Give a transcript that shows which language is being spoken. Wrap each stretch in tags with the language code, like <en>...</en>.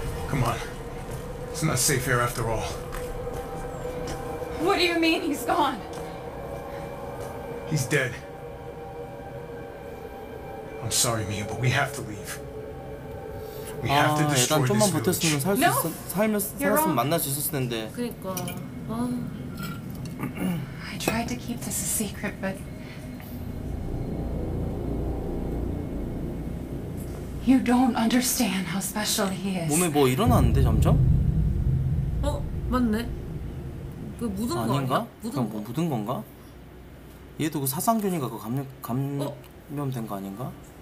<en>Come on. It's not safe here after all. What do you mean he's gone? He's dead. I'm sorry, Mia, but we have to leave. We have to destroy this village.</en> <ko>좀만 버텼으면 살 수 있어. 살면 살았으면 만날 수 있었을 텐데. 그러니까.</ko> <en>I tried to keep this a secret, but you don't understand how special he is.</en> <ko>몸에 뭐 일어났는데 점점? 어? 맞네. 그 묻은 거 아닌가? 묻은 거 묻은 건가? 얘도 그 사상균이가 그 감염된 거 아닌가?</ko>